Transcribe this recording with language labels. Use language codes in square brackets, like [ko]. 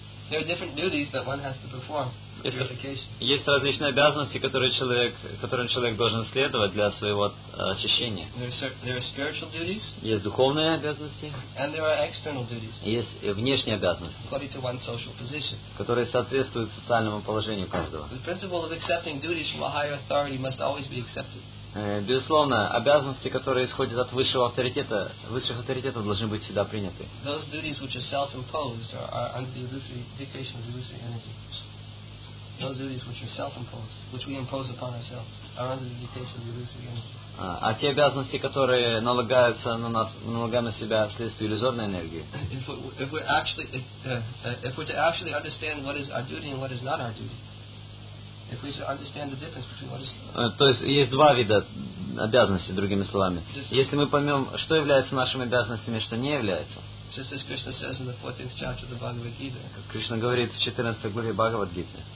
[en] There are different duties that one has to perform for purification. [ru] Есть различные обязанности, которым человек должен следовать для своего очищения. [en] There are spiritual duties. [ru] Есть духовные обязанности. [en] And there are external duties. [ru] Есть внешние обязанности. [en] According to one's social position. [ru] Которые соответствуют социальному положению каждого. [en] The principle of accepting duties from a higher authority must always be accepted. [ru] Безусловно, обязанности, которые исходят от высшего авторитета, высших авторитетов, должны быть всегда приняты. [en] Those duties which are self-imposed are under the illusory dictation of illusory energy. Those duties which are self-imposed, which we impose upon ourselves, are under the dictation of illusory energy. [ru] А те обязанности, которые налагаются на нас, налагаем на себя вследствие иллюзорной энергии. [en] If we're to actually understand what is our duty and what is not our duty. If we understand the difference between what is... [ru] То есть есть два вида обязанностей, другими словами. Если мы поймем, что является нашими обязанностями, что не является. [en] Just as Krishna says in the 14th chapter of the Bhagavad Gita. [ru] Как Кришна говорит в 14 главе Бхагавад Гиты.